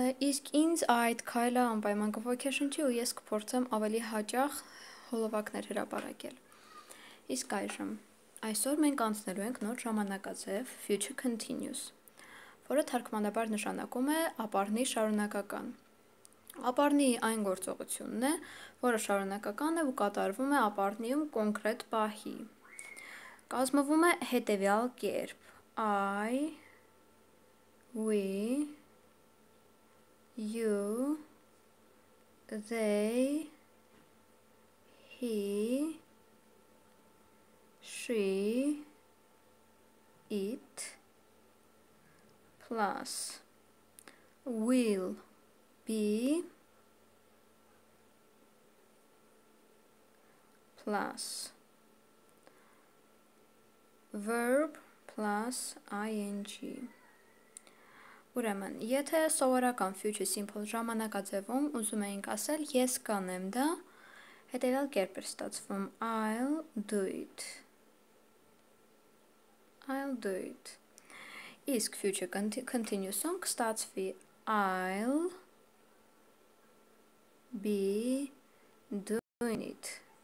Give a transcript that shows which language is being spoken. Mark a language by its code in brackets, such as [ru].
[hy] իսկ ինձ այդ քայլը անպայման կոգեշնչի ու ես կփորձեմ ավելի հաճախ հոլովակներ հրապարակել։ Իսկ այժմ այսօր մենք անցնելու ենք նոր ժամանակաձև future continuous, որը թարգմանաբար նշանակում է ապառնի շարունակական։ Ապառնի այն գործողությունն է, որը շարունակական է ու կատարվում է ապառնիում կոնկրետ պահի։ Կազմվում է հետևյալ կերպ. [en] I, we, you, they, he, she, it, plus will be plus verb plus ing. [hy] Ուրեմն, եթե սովորական future simple ժամանակաձևում ուզում էինք ասել ես կանեմ դա, հետևյալ կերպ էր ստացվում. [en] I'll do it. I'll do it. [hy] Իսկ future continuous-ում կստացվի [en] I'll be doing it.